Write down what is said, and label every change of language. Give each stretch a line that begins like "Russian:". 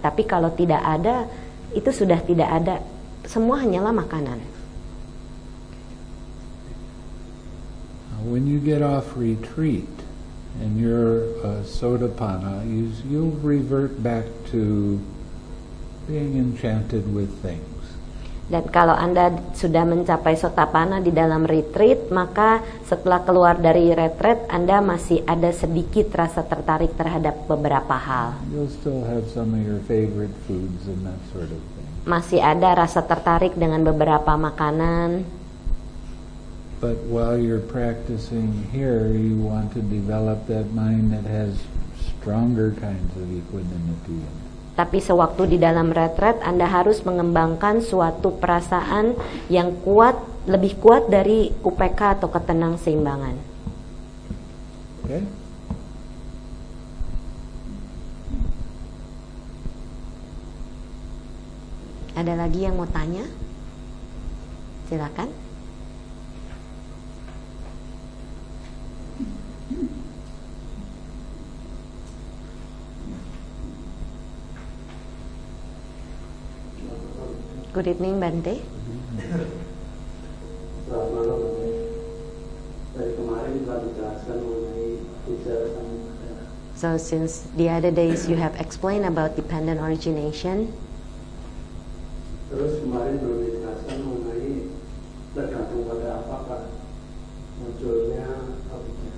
Indonesian: Tapi kalau tidak ada, itu sudah tidak ada, semua hanyalah makanan.
English: When you get off retreat and you're a sotapanna, you'll revert back to being enchanted with things.
Indonesian: Dan kalau Anda sudah mencapai sotapanna di dalam retreat, maka setelah keluar dari retreat, Anda masih ada sedikit rasa tertarik terhadap beberapa hal.
English: You'll still have some of your favorite foods and that sort of thing.
Indonesian: Masih ada rasa tertarik dengan beberapa makanan.
English: But while you're practicing here, you want to develop that mind that has stronger kinds of equanimity.
Indonesian: Tapi sewaktu di dalam retret, Anda harus mengembangkan suatu perasaan yang kuat, lebih kuat dari UPK atau ketenang seimbangan.
English: Okay.
Indonesian: Ada lagi yang mau tanya? Silakan.
English: Good evening, Bante.
Indonesian: Selamat malam, Bante. Dari kemarin telah dijelaskan mengenai teacher sama.
English: So since the other days you have explained about dependent origination.
Indonesian: Terus kemarin belum dijelaskan mengenai tergantung pada apakah munculnya apa.